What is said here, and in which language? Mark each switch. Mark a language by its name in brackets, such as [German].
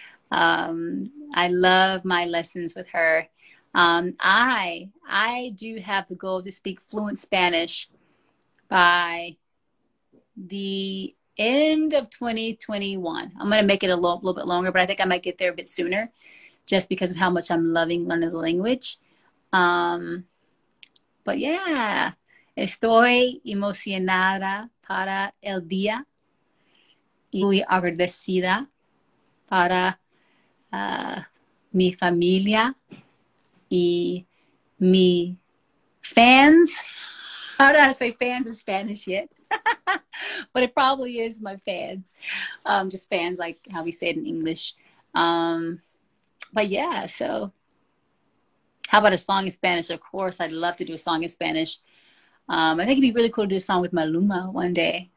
[English] I love my lessons with her. I do have the goal to speak fluent Spanish by the end of 2021. I'm going to make it a little bit longer, but I think I might get there a bit sooner just because of how much I'm loving learning the language. But yeah, [Spanish] estoy emocionada para el día y muy agradecida para mi familia y mi fans. [English] How do I say fans in Spanish yet? But it probably is my fans. Just fans, like how we say it in English. But yeah, so how about a song in Spanish? Of course, I'd love to do a song in Spanish. I think it'd be really cool to do a song with Maluma one day.